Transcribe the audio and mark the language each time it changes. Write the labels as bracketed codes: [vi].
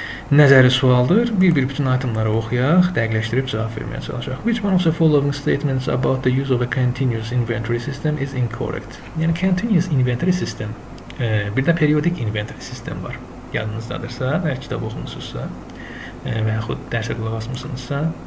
[az] Nəzəri sualdır. Bir-bir bütün itemları oxuyaq, dəqiqləşdirib cavab verməyə çalışaq. [en] Which one of the following statements about the use of a continuous inventory system is incorrect? [az] Yəni continuous inventory system. Bir də periodic inventory system var. Yadınızdadırsa, əgər kitab oxumusunuzsa və yaxud dərsə qulaq asmışsınızsa.